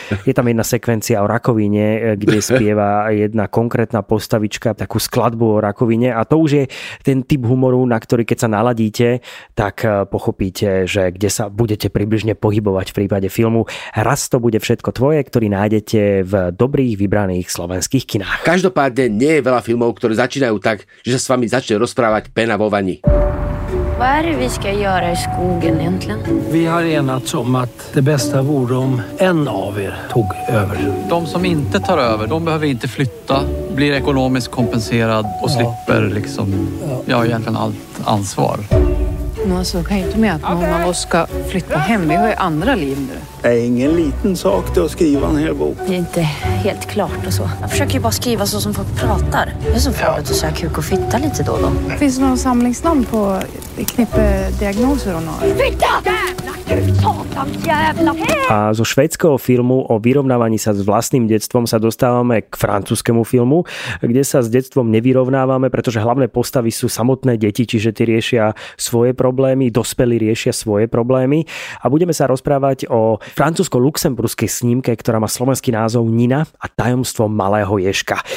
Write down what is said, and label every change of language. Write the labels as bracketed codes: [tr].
[sk] Je tam jedna sekvencia o rakovine, kde spieva jedna konkrétna postavička, takú skladbu o rakovine a to už je ten typ humoru, na ktorý keď sa naladíte, tak pochopíte, že kde sa budete približne pohybovať v prípade filmu Raz to bude všetko tvoje, ktorý nájdete v dobrých vybraných slovenských kinách. Každopádne nie veľa filmov, ktoré začínajú tak, že sa s vami začne rozprávať pena vo vani. [sv] Vad är det vi ska göra i skogen egentligen? Vi har enats om att det bästa vore om en av er tog över. De som inte tar över, de behöver inte flytta, blir ekonomiskt kompenserad och slipper liksom, ja, egentligen allt ansvar. Men alltså, kan inte med att någon av oss ska flytta hem? Vi har ju andra liv nu. Det är ingen liten sak det att skriva en hel bok. Det är inte helt klart och så. Jag försöker ju bara skriva så som folk pratar. Det är så farligt att säga kuk och fitta lite då och då. Finns det någon samlingsnamn på knippe diagnoser hon har? Fitta! [sk] A zo švédskeho filmu o vyrovnávaní sa s vlastným detstvom sa dostávame k francúzskemu filmu, kde sa s detstvom nevyrovnávame, pretože hlavné postavy sú samotné deti, čiže tie riešia svoje problémy, dospelí riešia svoje problémy. A budeme sa rozprávať o francúzsko-luxemburskej snímke, ktorá má slovenský názov Nina a tajomstvo malého Ježka.